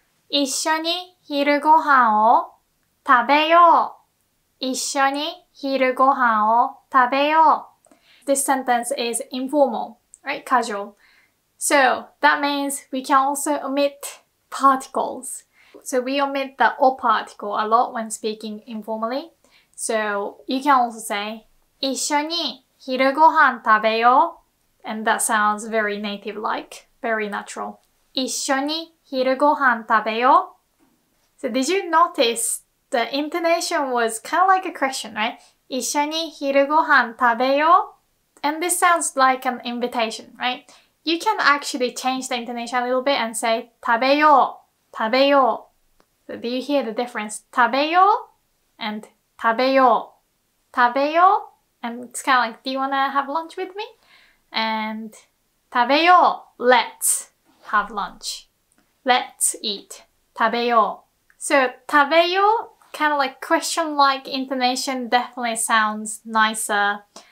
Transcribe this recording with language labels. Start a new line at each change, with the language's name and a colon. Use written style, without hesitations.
Japanese: 一緒に昼ごはんを食べよう。一緒に昼ごはんを食べよう。
English: This sentence is informal, right? Casual. So that means we can also omit particles. So we omit the O particle a lot when speaking informally. So you can also say
Japanese: 一緒に昼ごはん食べよう。
English: And that sounds very native-like, very natural.
Japanese: 一緒に昼ごはん食べよう。
English: So did you notice the intonation was kind of like a question, right?
Japanese: 一緒に昼ごはん食べよう。
English: And this sounds like an invitation, right? You can actually change the intonation a little bit and say
Japanese: 食べよう、食べよう。
English: So do you hear the difference?
Japanese: 食べよう and 食べよう、食べよう。
English: And it's kind of like, do you want to have lunch with me? And 食べよう、let's have lunch. Let's eat. 食べよう。So, 食べよう kind of like question-like intonation definitely sounds nicer.